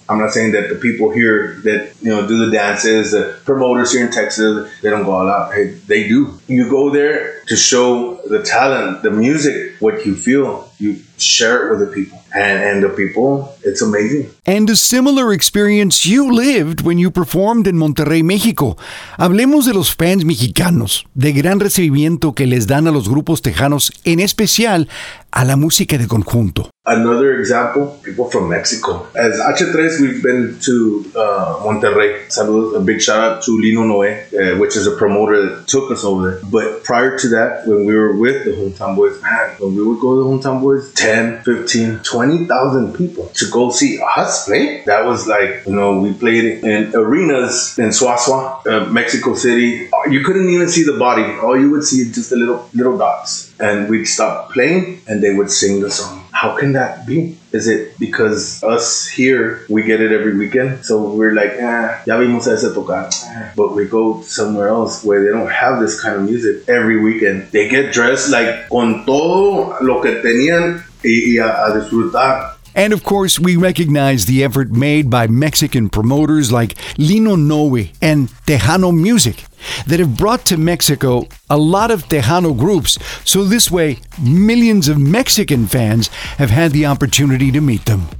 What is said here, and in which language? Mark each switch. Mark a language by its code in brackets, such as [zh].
[en] I'm not saying that the people here that, you know, do the dances, the promoters here in Texas, they don't go all out. Hey, they do. You go there to show the talent, the music, what you feel. You share it with the people. And the people, it's amazing. And a similar experience you lived when you performed in Monterrey, Mexico. [es] Hablemos de los fans mexicanos, de gran recibimiento que les dan a los grupos tejanos, en especial a la música de conjunto. [en] Another example, people from Mexico. As H3, we've been to Monterrey. Saludos, a big shout out to Lino Noé, which is a promoter that took us over there. But prior to that, when we were with the Hometown Boys, man, when we would go to the Hometown Boys, 10, 15, 20,000 people to go see us play. That was like, you know, we played in arenas in Suazua, Mexico City. You couldn't even see the body. All you would see is just the little dots. And we'd stop playing and they would sing the song. How can that be? Is it because us here, we get it every weekend? So we're like, [es] ya vimos a ese tocar. [en] But we go somewhere else where they don't have this kind of music every weekend. They get dressed like [es] con todo lo que tenían y a disfrutar. [en] And of course, we recognize the effort made by Mexican promoters like Lino Noe and Tejano Music that have brought to Mexico a lot of Tejano groups. So this way, millions of Mexican fans have had the opportunity to meet them.